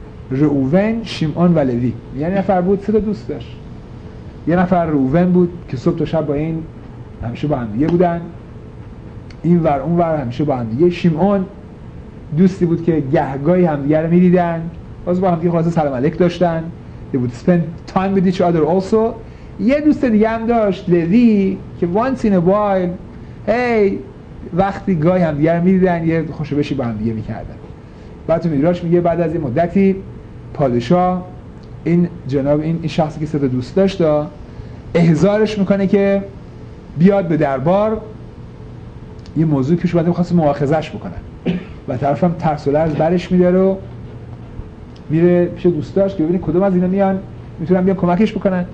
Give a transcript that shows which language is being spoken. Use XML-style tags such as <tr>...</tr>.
<fa>روون، شمعون و لوی، یعنی نفر بود سه تا دوست داشت. یه نفر روون بود که صبح تا شب با این همیشه با همدیگه بودن، این ور اون ور همیشه با همدیگه. شمعون دوستی بود که گهگاهی همدیگه رو میدیدن، باز با همدیگه خواسته سلام علیک داشتن.</fa> <en>They would spend time with each other also.</en> <fa>یه دوست دیگه هم داشت لوی که</fa> <en>once in a while hey</en> <fa>وقتی گاهی هم دیگر میدیدن یه خوشبشی با هم دیگه میکردن. بعد تو میراش میگه بعد از این مدتی پادشاه این جناب این شخصی که صدا دوست داشت احضارش میکنه که بیاد به دربار، یه موضوع پیش اومده میخواست مؤاخذهش بکنن و طرف هم ترس و لرز برش میداره و میره پیش دوستاش که ببینه کدوم از اینا میان میتونن بیان کمکش بکنن.</fa>